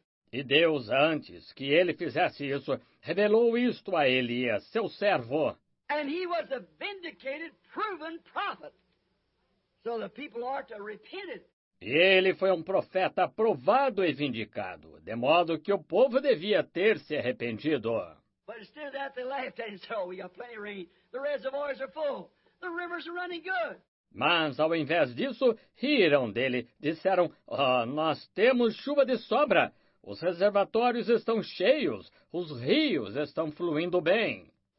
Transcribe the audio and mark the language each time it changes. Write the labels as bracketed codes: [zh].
[pt] E Deus, antes que ele fizesse isso, revelou isto a Elias, seu servo. [en] And he was a vindicated, proven prophet. So the people are to repent it. [pt] E ele foi um profeta aprovado e vindicado, de modo que o povo devia ter se arrependido. [en] But instead of that, they laughed and said, "Oh, we got plenty of rain. The reservoirs are full. The rivers are running good." [pt] Mas, ao invés disso, riram dele. Disseram, oh, nós temos chuva de sobra. Os reservatórios estão cheios. Os rios estão fluindo bem.